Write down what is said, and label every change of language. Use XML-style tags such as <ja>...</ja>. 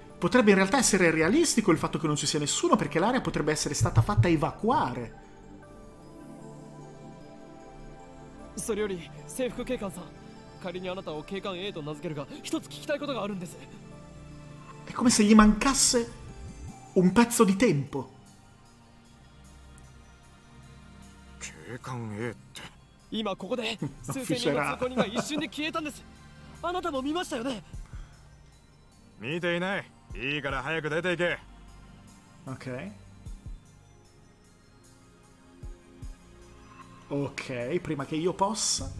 <it>Potrebbe in realtà essere realistico il fatto che non ci sia nessuno perché l'area potrebbe essere stata fatta evacuare.</it> <ja>それより制服警官さん、仮にあなたを警官 A と名付けるが、一つ聞きたいことがあるんです。</ja> <it>È come se gli mancasse un pezzo di tempo.</it> <ja>警官 A って今ここで数千人の通行人が一瞬で消えたんです。あなたも見ましたよね。見ていない。いいから早く出ていけ。</ja> <it>OK OK prima che io possa。</it>